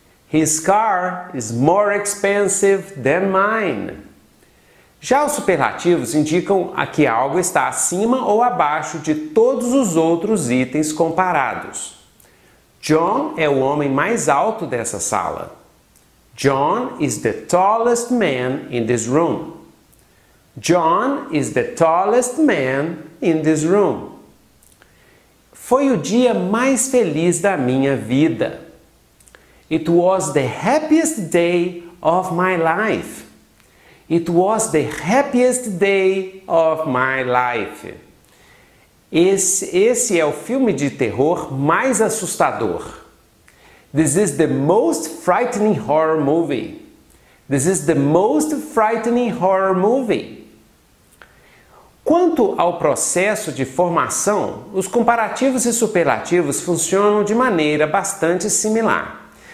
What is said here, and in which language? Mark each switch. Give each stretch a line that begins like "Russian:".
English: His car is more expensive than mine.
Portuguese: Já os superlativos indicam a que algo está acima ou abaixo de todos os outros itens comparados. John é o homem mais alto dessa sala.
English: John is the tallest man in this room. John is the tallest man in this room.
Portuguese: Foi o dia mais feliz da minha vida.
English: It was the happiest day of my life. It was the happiest day of my life.
Portuguese: Esse é o filme de terror mais assustador.
English: This is the most frightening horror movie. This is the most frightening horror movie.
Portuguese: Quanto ao processo de formação, os comparativos e superlativos funcionam de maneira bastante similar.